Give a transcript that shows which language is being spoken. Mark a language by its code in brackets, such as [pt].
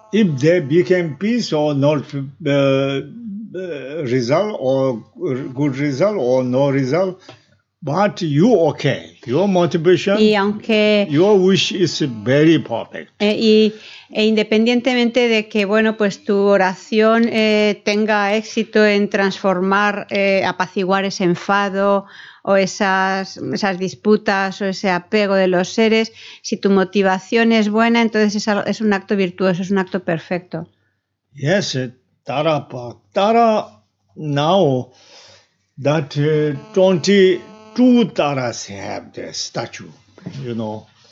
[en] If they became peace or not result or good result or no result, but you okay, your motivation, [es] y aunque, [en] your wish is very perfect. [es] E independientemente de que, bueno, pues tu oración tenga éxito en transformar, apaciguar ese enfado o esas disputas o ese apego de los seres, si tu motivación es buena, entonces es un acto virtuoso, es un acto perfecto. [en] Yes, Tara, Tara, now that 22 Taras have the statue, you know.